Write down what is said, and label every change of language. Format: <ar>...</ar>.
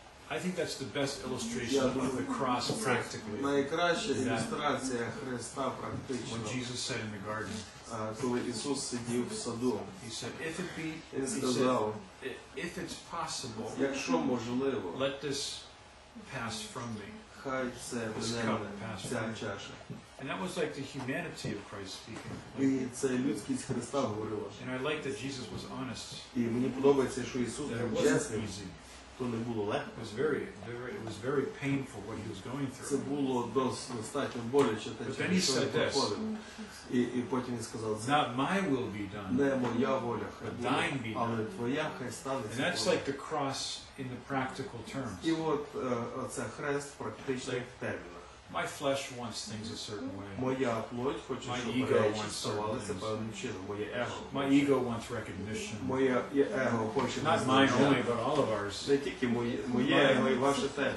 <en>I think that's the best illustration of the cross practically.</en> <uk>Найкраща ілюстрація Христа практично.</uk> <en>When Jesus said in the garden,</en> <uk>коли Ісус сидів в саду,</uk> <en>he said, if it be,</en> <uk>сказав,</uk> <en>if it's possible,</en> <uk>якщо можливо,</uk> <en>let this pass from me.</en> <uk>Хай це мене, ця чаша.</uk> <en>And that was like the humanity of Christ speaking.</en> <uk>І це людськість Христа говорила.</uk> <en>And I like that Jesus was honest.</en> <uk>І мені подобається, що Ісус був чесним. то не було легко.</uk> <en>It was very painful what he was going through.</en> <uk>Це було достатньо боляче те, що він проходив. І потім він сказав:</uk> <en>"Not my will be done.</en> <uk>Не моя воля, але твоя хай станеться".</uk> <en>And that's like the cross in the practical terms.</en> <uk>І от це хрест в практичних термінах.</uk> <en>My flesh wants things a certain way.</en> <uk>Моя плоть хоче, щоб речі ставалися певним чином. Моє его.</uk> <en>My ego wants recognition.</en> <uk>Моє его хоче.</uk> <en>Not mine only, but all of ours.</en> <uk>Не тільки моє его, і ваше теж.</uk>